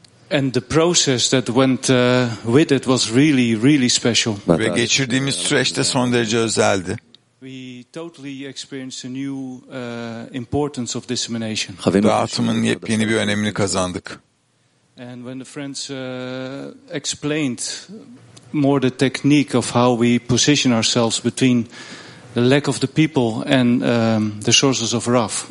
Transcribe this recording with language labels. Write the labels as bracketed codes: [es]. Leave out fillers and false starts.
[en] And the process that went with it was really, really special. [tr] Ve geçirdiğimiz süreçte son derece özeldi. [en] We totally experienced a new importance of dissemination. [tr] Dağıtımın yepyeni bir önemini kazandık. [en] And when the friends explained more the technique of how we position ourselves between the lack of the people and the sources of Rav.